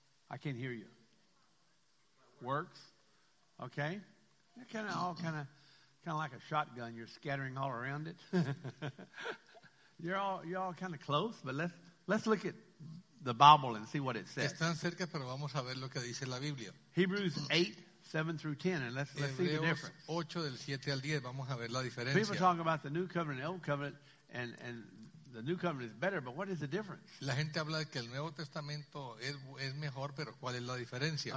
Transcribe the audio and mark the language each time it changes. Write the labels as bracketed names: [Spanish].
[English] I can't hear you. Works. Okay. You're kind of all kind of like a shotgun. You're scattering all around it. you're all kind of close, but let's look at the Bible and see what it says. [Spanish] Están cerca, pero vamos a ver lo que dice la Biblia. [English] Hebrews 8:7-10, and let's see the difference. [Spanish] 8 del 7 al 10, vamos a ver la diferencia. [English] People talk about the new covenant and the old covenant, and the new covenant is better, but what is the difference? [Spanish] La gente habla de que el Nuevo Testamento es mejor, pero ¿cuál es la diferencia?